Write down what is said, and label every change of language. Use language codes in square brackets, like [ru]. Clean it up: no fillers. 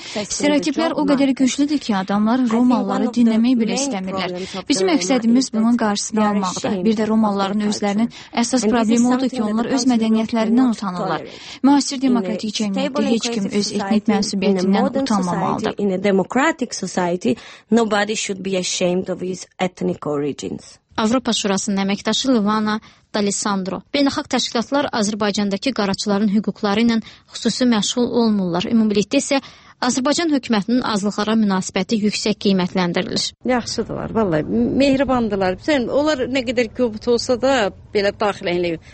[az] Stereotiplər o qədər güclüdür ki, adamlar Romalıları dinləmək belə istəmirlər. Bizim məqsədimiz bunun qarşısını almaqdır. Bir də Romalıların özlərinin əsas problemi odur ki, onlar öz mədəniyyətlərindən utanırlar. Müasir demokratik cəmiyyətdə heç kim öz etnik mənsubiyyətindən utanmamalıdır. [en] In a democratic society, nobody should be ashamed of his ethnic origins. [az] Avropa Şurasının əməkdaşı Livana D'Alessandro. Beynəlxalq təşkilatlar Azərbaycandakı qaraçıların hüquqları ilə xüsusi məşğul olmurlar. Ümumilikdə isə Azərbaycan hökumətinin azlıqlara münasibəti yüksək qiymətləndirilir. Yaxşıdırlar, vallahi mehribandılar. Sən onlar nə qədər qobut olsa da belə daxiləyib.